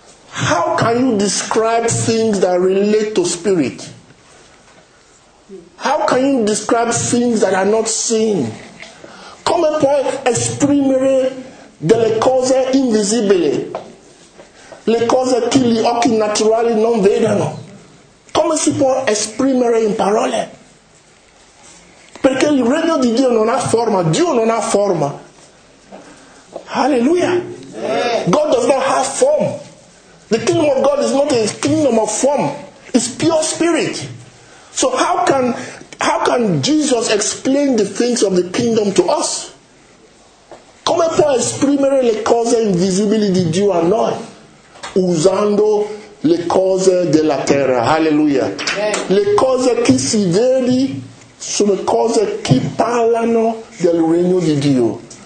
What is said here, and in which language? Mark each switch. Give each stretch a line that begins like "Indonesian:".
English: How can you describe things that relate to spirit? How can you describe things that are not seen?
Italian: Come puoi esprimere delle cose invisibili, le cose che gli occhi naturali non vedono? Come si può esprimere in parole? Perché il regno di Dio non ha forma, Dio non ha forma.
English: Alleluia! God does not have form. The kingdom of God is not a kingdom of form. It's pure spirit. So how can Jesus explain the things of the kingdom to us?
Italian: Come può esprimere le cose invisibili di Dio a noi? Usando le cose della terra. Hallelujah. Le cose che si vedi sono cose che parlano del regno di Dio.